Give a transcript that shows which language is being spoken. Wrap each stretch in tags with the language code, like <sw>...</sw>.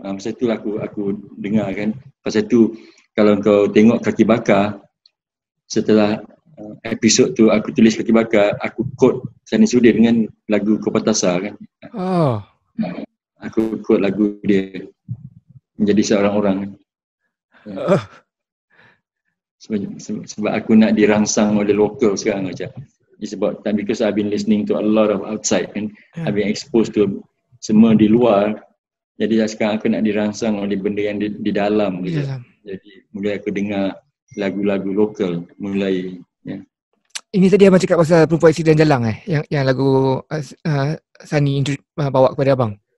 <ms>Masa tu aku dengar kan. Masa tu kalau kau tengok Kaki Bakar, setelah episod tu aku tulis Kaki Bakar, aku quote Sani Sudir dengan lagu Kopatasa kan. Oh. Aku quote lagu dia menjadi seorang orang. Sebab aku nak dirangsang oleh lokal sekarang macam.</ms> <en>It's about time because I've been listening to a lot of outside and I've been exposed to</en> <ms>semua di luar. Jadi sekarang aku nak dirangsang oleh benda yang di dalam. Jadi mulai aku dengar lagu-lagu lokal mulai. Ini tadi abang cakap pasal Perempuan Sian Jalang yang lagu Sunny bawa kepada abang.</ms>